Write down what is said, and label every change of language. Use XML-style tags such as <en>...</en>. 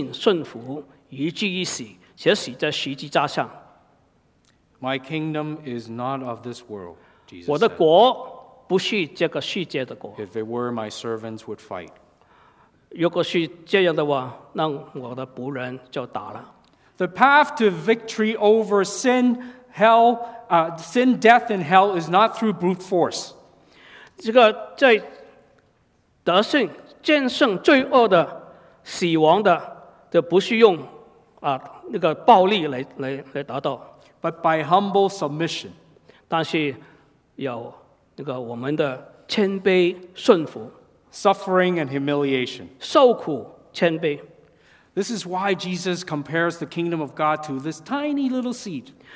<zh>他本有神的形象，不以自己与神同等为权夺的，反倒屈己，取了奴仆的形象，成为人的样式，既有人的样子，就自己卑微，存信顺服，以至于死。</zh> <en>My kingdom is not of this world, Jesus said.</en> <zh>我的国不是这个世界的国。</zh> <en>If it were, my servants would fight.</en> <zh>如果是这样的话，那我的仆人就打了。</zh> <en>The path to victory over sin, hell, sin, death, and hell is not through brute force.</en> <zh>这个在得胜、战胜罪恶的、死亡的，这不是用啊。</zh> <en>But by humble submission.</en> <zh>但是有那个我们的谦卑顺服,</zh> <en>suffering and humiliation.</en> <zh>受苦谦卑.</zh> <en>This is why Jesus compares the kingdom of God to this tiny little seed.</en>